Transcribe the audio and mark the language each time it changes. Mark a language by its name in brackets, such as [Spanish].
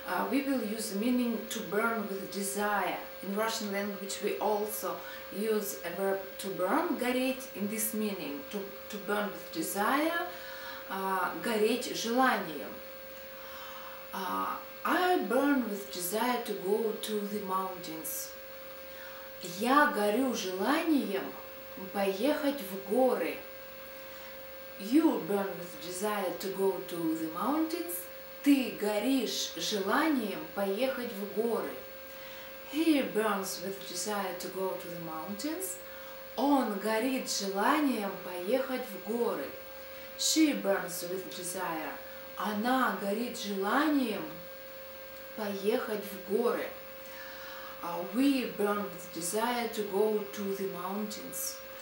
[English] We will use the meaning to burn with desire. In Russian language, we also use a verb to burn, гореть, in this meaning, to burn with desire. [Russian] Гореть желанием. [English] I burn with desire to go to the mountains. [Russian] Я горю желанием поехать в горы. [English] You burn with desire to go to the mountains. [Russian] Ты горишь желанием поехать в горы. [English] He burns with desire to go to the mountains. [Russian] Он горит желанием поехать в горы. [English] She burns with desire. [Russian] Она горит желанием поехать в горы. [English] We burn with desire to go to the mountains.